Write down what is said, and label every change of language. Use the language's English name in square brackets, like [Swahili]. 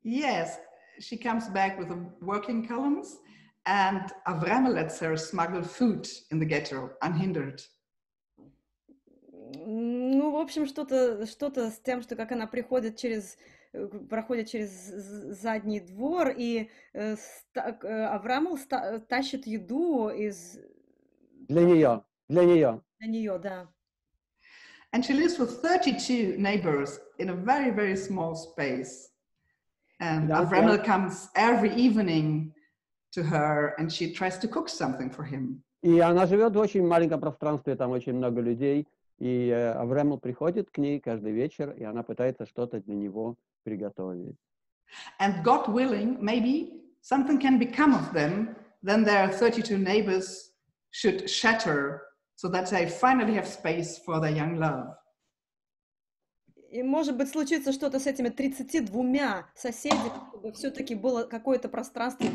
[English] Yes, she comes back with the working columns and Avram lets her smuggle food in the ghetto, unhindered. [Russian] Ну, в общем, что-то с тем, что как она приходит через... проходит через задний двор, и Аврамл тащит еду из... Для нее, да. [English] And she lives with 32 neighbors in a very, very small space. And yeah, Аврамл yeah. comes every evening to her, and she tries to cook something for him. [Russian] И она живет в очень маленьком пространстве, там очень много людей, и Аврамл приходит к ней каждый вечер, и она пытается что-то для него [English] And God willing, maybe something can become of them, then their 32 neighbors should shatter so that they finally have space for their young love. [Russian] И может быть случится что-то с этими 32 соседями, чтобы все-таки было какое-то пространство.